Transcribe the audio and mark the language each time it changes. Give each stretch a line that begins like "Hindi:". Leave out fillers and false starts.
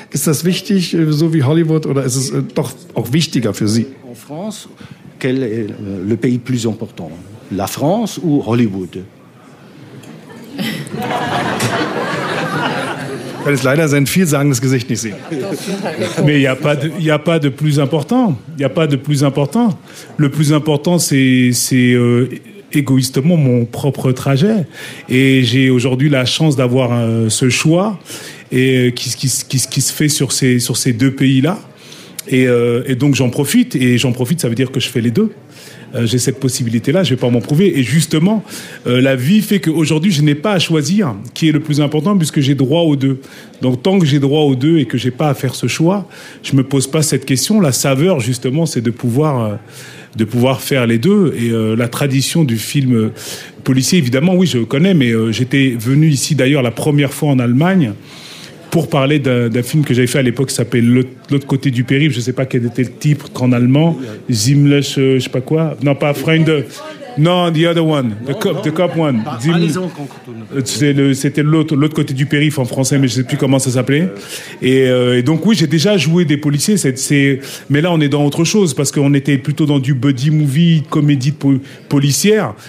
German: Ist das wichtig, so wie Hollywood, oder ist es doch auch wichtiger für Sie?
French: En France, quel est le pays plus important? La France ou Hollywood?
German: Ich kann jetzt leider sein vielsagendes Gesicht nicht sehen.
French: Mais il y a pas de plus important. Il y a pas de plus important. Le plus important, c'est égoïstement mon propre trajet. Et j'ai aujourd'hui la chance d'avoir ce choix et qui se fait sur ces deux pays-là. Et donc j'en profite. Ça veut dire que je fais les deux. J'ai cette possibilité-là, je ne vais pas m'en prouver. Et justement, la vie fait qu'aujourd'hui, je n'ai pas à choisir qui est le plus important puisque j'ai droit aux deux. Donc tant que j'ai droit aux deux et que je n'ai pas à faire ce choix, je ne me pose pas cette question. La saveur, justement, c'est de pouvoir faire les deux. Et la tradition du film policier, évidemment, oui, je connais, mais j'étais venu ici d'ailleurs la première fois en Allemagne pour parler d'un film que j'avais fait à l'époque qui s'appelait L'autre côté du périph', je ne sais pas quel était le titre en allemand, Zimlesch, je ne sais pas quoi, non pas Freunde,
English: Non, the other one, the cop one.
French: C'était l'autre côté du périph en français, mais je sais plus comment ça s'appelait. Et donc oui, j'ai déjà joué des policiers. Mais là, on est dans autre chose parce qu'on était plutôt dans du buddy movie, comédie policière.